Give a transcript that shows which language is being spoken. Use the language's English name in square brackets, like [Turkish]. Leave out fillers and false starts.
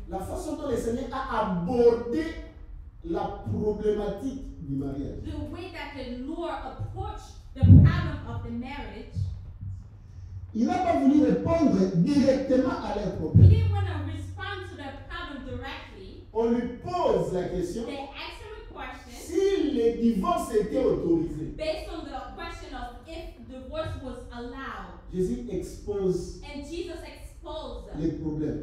[French] La façon dont le Seigneur a abordé la problématique du mariage. [English] The way that the Lord approached the problem of the marriage. [French] Il n'a pas voulu répondre directement à leur problème. [English] He didn't want to respond to the problem directly. [French] On lui pose la question. [English] They asked him a question. [French] Si le divorce était autorisé. [English] Based on the question of if divorce was allowed. [French] Jésus expose. [English] And Jesus exposed. [French] Les problèmes.